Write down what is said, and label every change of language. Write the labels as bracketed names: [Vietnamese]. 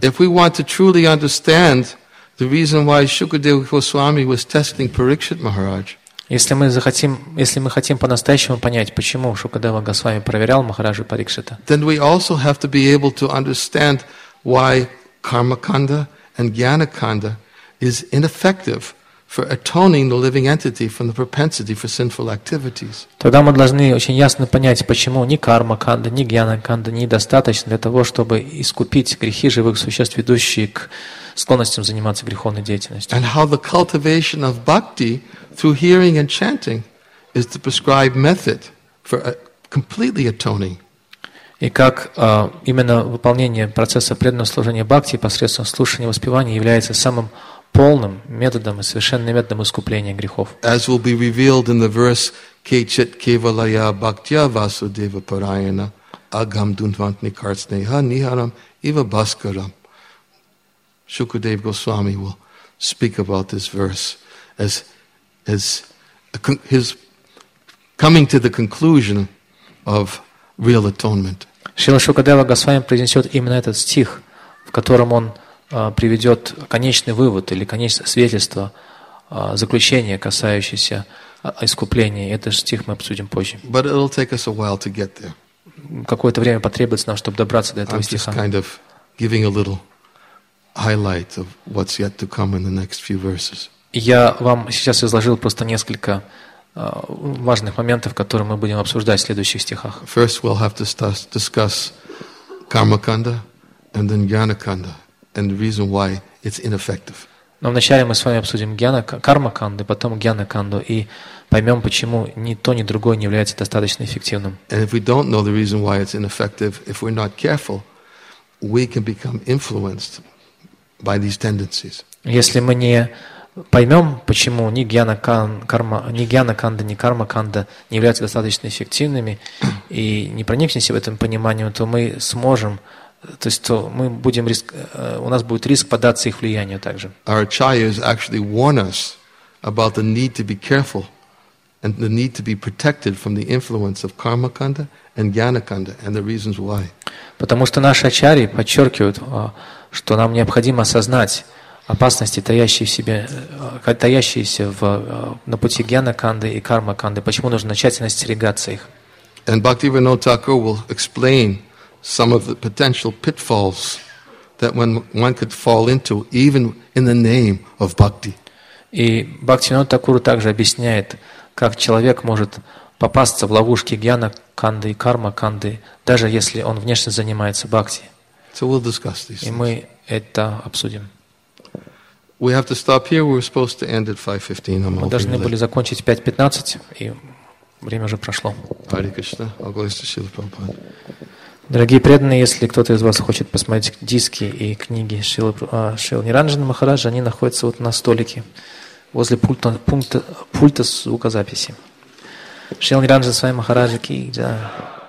[English] If we want to truly understand the reason why Shukadeva Goswami was testing Parikshit Maharaj. [Russian] Если мы хотим по-настоящему понять, почему Шукадева Госвами проверял Махараджа Парикшита, [English] then we also have to be able to understand why Karmakanda and Gyanakanda is ineffective for atoning the living entity from the propensity for sinful activities. [Russian] Тогда мы должны очень ясно понять, почему ни Кармаканда, ни Гьянаканда недостаточно для того, чтобы искупить грехи живых существ, ведущие к склонностям заниматься греховной деятельностью. [English] And how the cultivation of bhakti through hearing and chanting is the prescribed method for completely atoning. [Russian] И как именно выполнение процесса преданного служения бхакти посредством слушания и воспевания является самым полным методом и совершенным методом искупления грехов. [English] As will be revealed in the verse [Sanskrit] Kechit Kevalaya Bhaktya Vasudeva Parayana Agam Dunvantni Kartsneha Niharam Iva Bhaskaram. [English] Shukadeva Goswami will speak about this verse as his coming to the conclusion of real atonement. [Russian] Шрила Шукадева Госвами произнесет именно этот стих, в котором он приведет конечный вывод или конечное свидетельство, заключение, касающееся искупления. Этот стих мы обсудим позже. [English] But it'll take us a while to get there. [Russian] Какое-то время потребуется нам, чтобы добраться до этого [English] I'm [Russian] стиха. [English] Just kind of giving a little highlight of what's yet to come in the next few verses. [Russian] Я вам сейчас изложил просто несколько важных моментов, которые мы будем обсуждать в следующих стихах. [English] First we'll have to discuss Karmakanda and then Gyanakanda and the reason why it's ineffective. [Russian] Но вначале мы с вами обсудим Кармаканду, потом Гьянаканду и поймем, почему ни то, ни другое не является достаточно эффективным. [English] And if we don't know the reason why it's ineffective, if we're not careful, we can become influenced by these tendencies. [Russian] Если мы не поймем, почему ни Гьянаканда, ни Кармаканда не являются достаточно эффективными и не проникнемся в этом понимании, то мы сможем, то есть то мы будем риск, у нас будет риск поддаться их влиянию также. [English] Our acharyas actually warn us about the need to be careful and the need to be protected from the influence of Кармаканда and Гьянаканда and the reasons why. [Russian] Потому что наши ачарьи подчеркивают, что нам необходимо осознать опасности, таящиеся на пути Гьянаканды и Кармаканды, почему нужно тщательно остерегаться их. [English] And Bhaktivinoda Thakur will explain some of the potential pitfalls that one could fall into even in the name of bhakti. [Russian] И Бхактивинода Такура также объясняет, как человек может попасться в ловушки Гьянаканды и Кармаканды, даже если он внешне занимается бхакти. [English] So we'll discuss these things. [Russian] И мы это обсудим. [English] We have to stop here. We were supposed to end at 5:15. I'm [Russian] Мы должны были закончить в 5:15, и время уже прошло. [English] Hare Krishna. All glories to Srila Prabhupada. [Russian] Дорогие преданные, если кто-то из вас хочет посмотреть диски и книги Шрилы Ниранджана Махараджа, они находятся вот на столике возле пульта звукозаписи. Шрила Ниранджана Свами Махараджа Ки Джай.